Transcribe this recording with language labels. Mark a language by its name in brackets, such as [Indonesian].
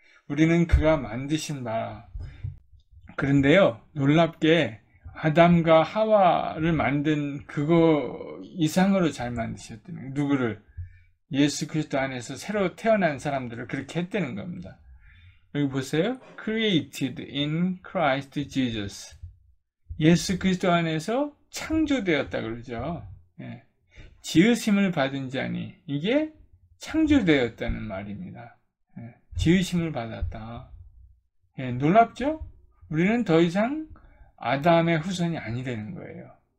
[Korean] 우리는 그가 만드신 바라. 그런데요, 놀랍게 아담과 하와를 만든 그거 이상으로 잘 만드셨다는 거예요. 누구를? 예수 그리스도 안에서 새로 태어난 사람들을 그렇게 했다는 겁니다. 여기 보세요. [English] Created in Christ Jesus. [Korean] 예수 그리스도 안에서 창조되었다 그러죠. 예. 지으심을 받은 자니 이게 창조되었다는 말입니다. 지으심을 받았다. 놀랍죠? 우리는 더 이상 아담의 후손이 아니라는 거예요.